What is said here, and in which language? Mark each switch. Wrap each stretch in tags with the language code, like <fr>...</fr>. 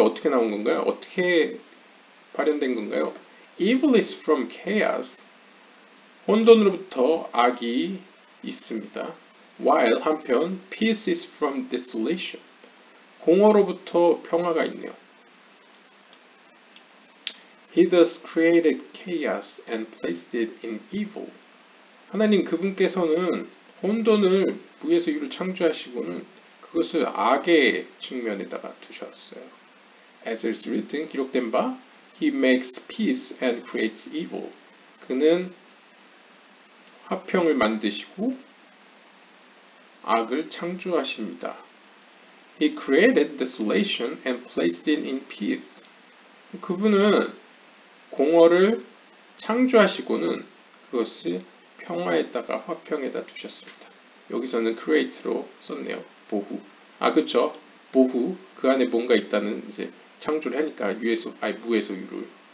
<ko>어떻게 나온 건가요? 어떻게 발현된 건가요?</ko> <en>Evil is from chaos.</en> <ko>혼돈으로부터 악이 있습니다.</ko> <en>While 한편 peace is from desolation.</en> <ko>공허로부터 평화가 있네요.</ko> <en>He thus created chaos and placed it in evil.</en> <ko>하나님 그분께서는 혼돈을 무에서 유로 창조하시고는 그것을 악의 측면에다가 두셨어요.</ko> <en>As it is written,</en> <ko>기록된 바,</ko> <en>He makes peace and creates evil.</en> <ko>그는 화평을 만드시고 악을 창조하십니다.</ko> <en>He created desolation and placed it in peace.</en> <ko>그분은 공허를 창조하시고는 그것을 평화에다가 화평에다 두셨습니다. 여기서는 create로 썼네요. 보후. 아, 그쵸. 보후. 그 안에 뭔가 있다는 이제 창조를 하니까 유에서, 아니, 무에서 유를.</ko>